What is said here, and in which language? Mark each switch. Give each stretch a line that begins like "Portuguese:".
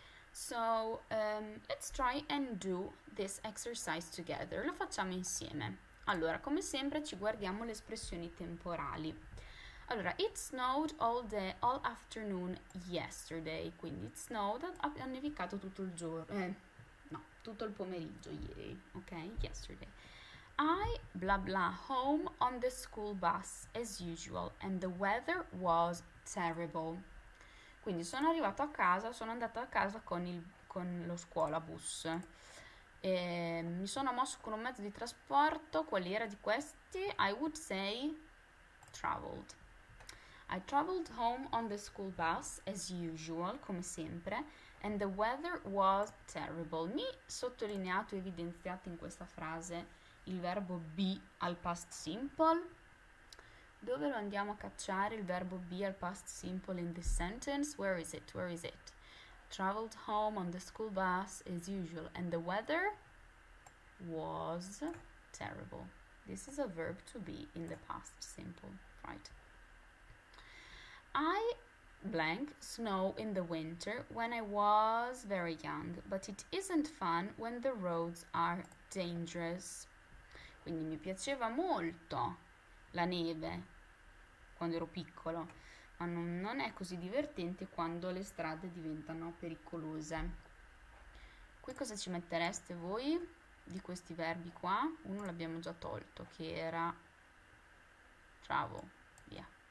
English: So, let's try and do this exercise together,
Italian: lo facciamo insieme. Allora, come sempre ci guardiamo le espressioni temporali. Allora,
English: it snowed all afternoon yesterday,
Italian: quindi
English: it snowed,
Italian: ha nevicato tutto il giorno, no, tutto il pomeriggio ieri, ok?
English: Yesterday. I, bla bla, home on the school bus as usual and the weather was terrible.
Italian: Quindi sono arrivato a casa, sono andato a casa con lo scuolabus. Mi sono mosso con un mezzo di trasporto, quali era di questi?
English: I would say traveled. I traveled home on the school bus as usual,
Italian: come sempre,
English: and the weather was terrible.
Italian: Mi sottolineato e evidenziato in questa frase il verbo be al past simple. Dove lo andiamo a cacciare il verbo be al past simple
English: in this sentence? Where is it?
Italian: Where is it?
English: Traveled home on the school bus as usual, and the weather was terrible. This is a verb to be in the past simple, right? I blank snow in the winter when I was very young, but it isn't fun when the roads are dangerous.
Italian: Quindi mi piaceva molto la neve quando ero piccolo, ma non è così divertente quando le strade diventano pericolose. Qui cosa ci mettereste voi di questi verbi qua? Uno l'abbiamo già tolto, che era travel, via.